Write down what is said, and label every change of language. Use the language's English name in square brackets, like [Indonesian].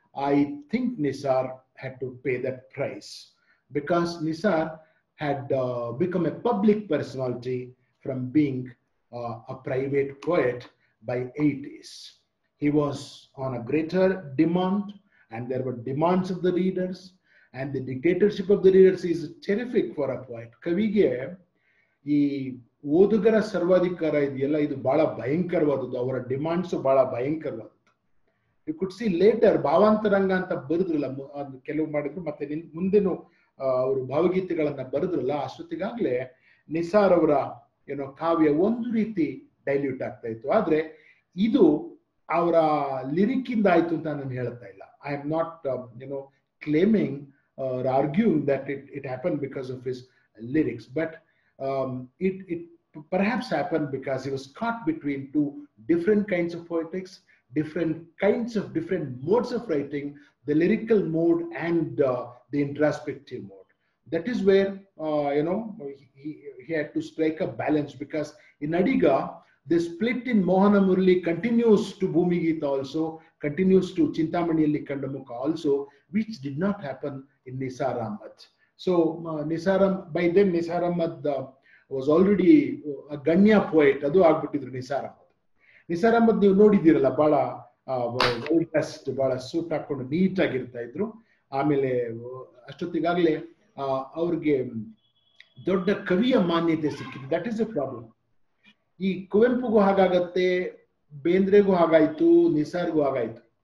[English] I think Nisar had to pay that price because Nisar had become a public personality from being a private poet by 80s. He was on a greater demand, and there were demands of the readers, and the dictatorship of the readers is terrific for a poet. [Kannada] Kavige, he ಓದುಗರ ಸರ್ವಾಧಿಕಾರ ಇದೆಯಲ್ಲ ಇದು ಬಹಳ ಭಯಂಕರವಾದದ್ದು ಅವರ demands ಬಹಳ ಭಯಂಕರವಾದದ್ದು [English] you could see later [Kannada] ಭಾವಾಂತರಂಗ ಅಂತ ಬರೆದ್ರಲ್ಲ ಅದು ಕೆಲವು ಮಾಡಿದ್ರು ಮತ್ತೆ ಮುಂದೇನು ಅವರು ಭಾವಗೀತೆಗಳನ್ನ ಬರೆದ್ರಲ್ಲ ಅಷ್ಟೊತ್ತಿಗಾಗಲೇ ನಿಸಾರ್ ಅವರ ಏನೋ ಕಾವ್ಯ ಒಂದು ರೀತಿ ಡೈಲ್ಯೂಟ್ ಆಗ್ತಾ ಇತ್ತು ಆದ್ರೆ ಇದು ಅವರ ಲಿರಿಕ್ ಇಂದ ಆಯ್ತು ಅಂತ ನಾನು ಹೇಳ್ತಾ ಇಲ್ಲ [English] I am not you know claiming or arguing that it happen because of his lyrics but It perhaps happened because he was caught between two different kinds of poetics, different modes of writing, the lyrical mode and the introspective mode. That is where he had to strike a balance, because in Adiga, the split in Mohana Murali continues to Bhumi Geeta also, continues to Chintamani Alli Kandamukha also, which did not happen in Nisar Ahmad. So Nisar Ahmad was already a ganya poet. [Kannada] ಅದು ಆಗ್ಬಿಟ್ಟಿದ್ರು ನಿಸಾರ್ ಅಹಮದ್. ನಿಸಾರ್ ಅಹಮದ್ ನೀವು ನೋಡಿದ್ದೀರಲ್ಲ, ಬಹಳ oldest, ಬಹಳ suit ಹಾಕೊಂಡು neat ಆಗಿರ್ತಾ ಇದ್ರು. ಆಮೇಲೆ ಅಷ್ಟೊತ್ತಿಗಾಗಲೇ ಅವ್ರಿಗೆ ದೊಡ್ಡ ಕವಿಯ ಮಾನ್ಯತೆ ಸಿಕ್ಕಿದೆ. [English] That is a problem. [Kannada] ಈ ಕುವೆಂಪುಗೂ ಹಾಗಾಗತ್ತೆ, ಬೇಂದ್ರೆಗೂ ಹಾಗಾಯ್ತು, ನಿಸಾರ್ಗೂ ಹಾಗಾಯ್ತು.